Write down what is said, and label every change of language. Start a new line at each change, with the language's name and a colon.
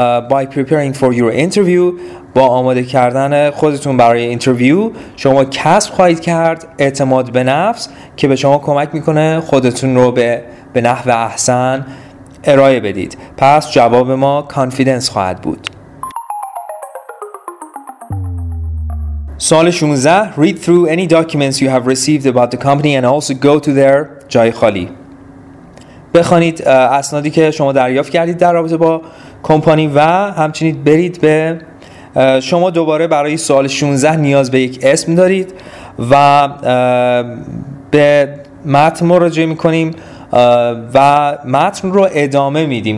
English: By preparing for your interview،
Persian: با آماده کردن خودتون برای اینترویو شما کسب خواهید کرد اعتماد به نفس که به شما کمک میکنه خودتون رو به نحو احسن ارائه بدید. پس جواب ما confidence خواهد بود. سوال 16.
English: Read through any documents you have received about the company and also go to their
Persian: جای خالی. بخوانید اسنادی که شما دریافت کردید در رابطه با کمپانی و همچنین برید به شما دوباره برای سوال 16 نیاز به یک اسم دارید و به متن مراجعه میکنیم و متن رو ادامه میدیم.